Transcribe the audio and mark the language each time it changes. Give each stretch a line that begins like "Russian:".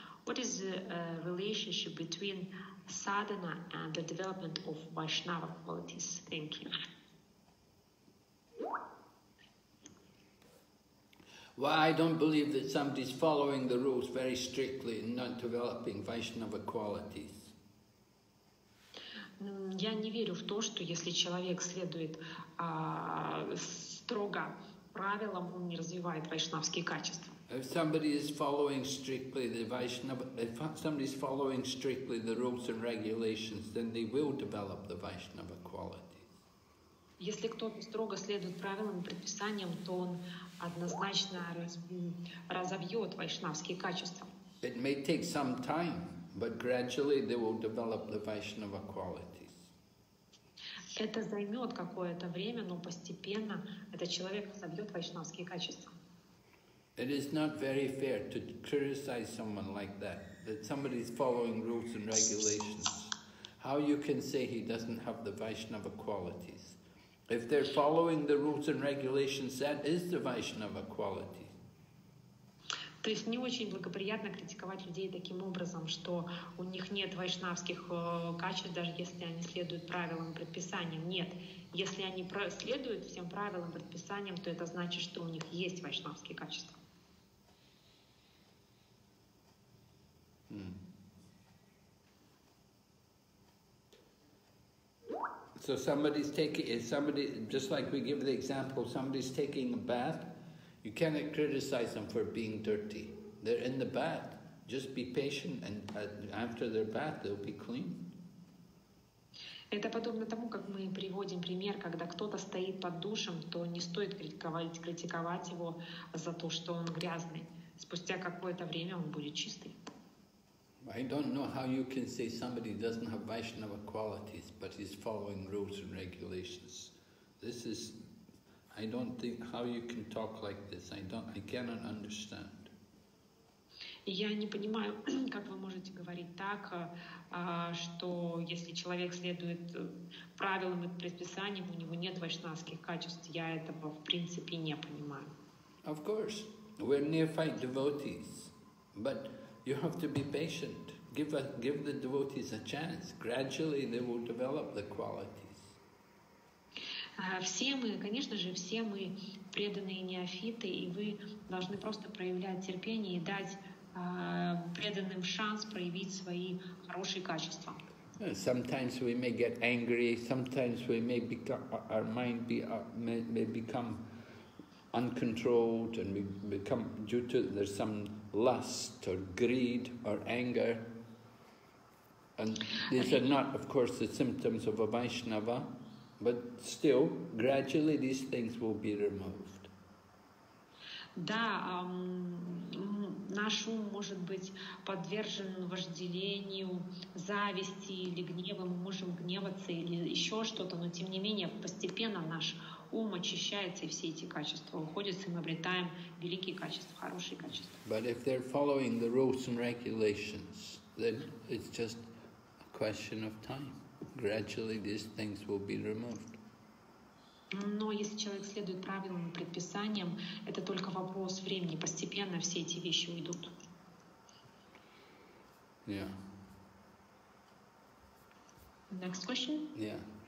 English: What is the relationship between sadhana and the development of Vaishnava qualities? Thank you. Well, I don't believe that somebody's following the rules very strictly and not developing Vaishnava qualities.
Russian: Я не верю в то, что если человек следует строго правилам, он не развивает вайшнавские качества.
English: If somebody is following strictly the Vaishnava, if somebody is following strictly the rules and regulations, then they will develop the Vaishnava qualities.
Russian: Если кто-то строго следует правилам и предписаниям, то он однозначно разовьет вайшнавские качества.
English: It may take some time, but gradually they will develop the Vaishnava qualities.
Russian: Это займет какое-то время, но постепенно этот человек разовьет вайшнавские качества.
English: It is not very fair to criticize someone like that, that somebody is following rules and regulations. How you can say he doesn't have the Vaishnava qualities? If they're following the rules and regulations, that is the Vaishnava quality.
Russian: То есть не очень благоприятно критиковать людей таким образом, что у них нет вайшнавских качеств, даже если они следуют правилам и предписаниям. Нет, если они следуют всем правилам и предписаниям, то это значит, что у них есть вайшнавские качества.
English: So somebody's taking, if somebody, just like we give the example, somebody's taking a bath. You cannot criticize them for being dirty. They're in the bath. Just be patient, and after their bath, they'll be clean.
Russian: Это подобно тому, как мы приводим пример, когда кто-то стоит под душем, то не стоит критиковать его за то, что он грязный. Спустя какое-то время он будет чистый.
English: I don't know how you can say somebody doesn't have Vaishnava qualities, but he's following rules and regulations. This is. I don't think how you can talk like this. I cannot understand.
Russian: Я не понимаю, как вы можете говорить так, что если человек следует правилам и предписаниям, у него нет вайшнавских качеств. Я этого в принципе не понимаю.
English: Of course, we're neophyte devotees, but you have to be patient. Give the devotees a chance. Gradually, they will develop the quality.
Russian: Все мы преданные неофиты, и вы должны просто проявлять терпение и дать преданным шанс проявить свои хорошие качества.
English: Sometimes we may get angry, sometimes we may become, our mind be, may become uncontrolled, and we become, due to there's some lust or greed or anger. And these are not, of course, the symptoms of a Vaishnava. But still, gradually these things will be removed.
Russian: Да, наш ум может быть подвержен вожделению, зависти или гневу. Мы можем гневаться или еще что-то, но тем не менее постепенно наш ум очищается, и все эти качества уходят, и мы обретаем великие качества, хорошие качества.
English: But if they're following the rules and regulations, then it's just a question of time. Gradually, these things will be removed.
Russian: Но если человек следует правилам и предписаниям, это только вопрос времени. Постепенно все эти вещи уйдут.
English: Yeah. Next question. Yeah.